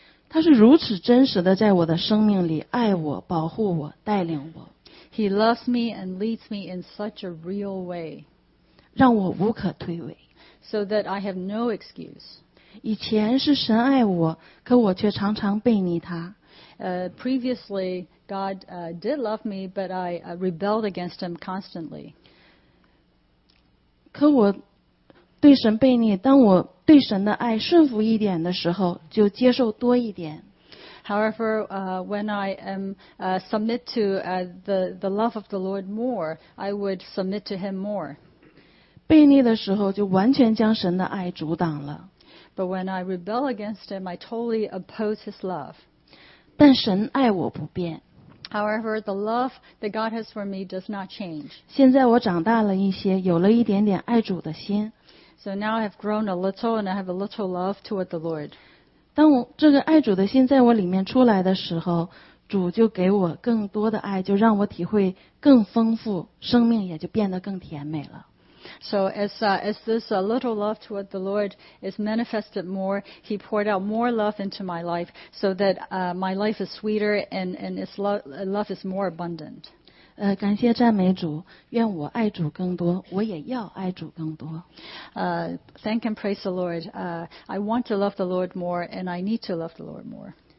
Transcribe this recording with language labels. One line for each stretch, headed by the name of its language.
Chinese: 他是如此真实的在我的生命里爱我、保护我、带领我。
English: He loves me and leads me in such a real way.
Chinese: 让我无可推诿。
English: So that I have no excuse.
Chinese: 以前是神爱我，可我却常常背逆他。
English: Previously, God did love me, but I rebelled against him constantly.
Chinese: 可我对神背逆，当我对神的爱顺服一点的时候，就接受多一点。
English: However, when I am submit to the love of the Lord more, I would submit to Him more.
Chinese: 背逆的时候，就完全将神的爱阻挡了。
English: But when I rebel against Him, I totally oppose His love.
Chinese: 但神爱我不变。
English: However, the love that God has for me does not change.
Chinese: 现在我长大了一些，有了一点点爱主的心。
English: So now I have grown a little and I have a little love toward the Lord.
Chinese: 当我这个爱主的心在我里面出来的时候，主就给我更多的爱，就让我体会更丰富，生命也就变得更甜美了。
English: So as this little love toward the Lord is manifested more, He poured out more love into my life so that my life is sweeter and its love is more abundant.
Chinese: 感谢赞美主，愿我爱主更多，我也要爱主更多。
English: Thank and praise the Lord. I want to love the Lord more, and I need to love the Lord more.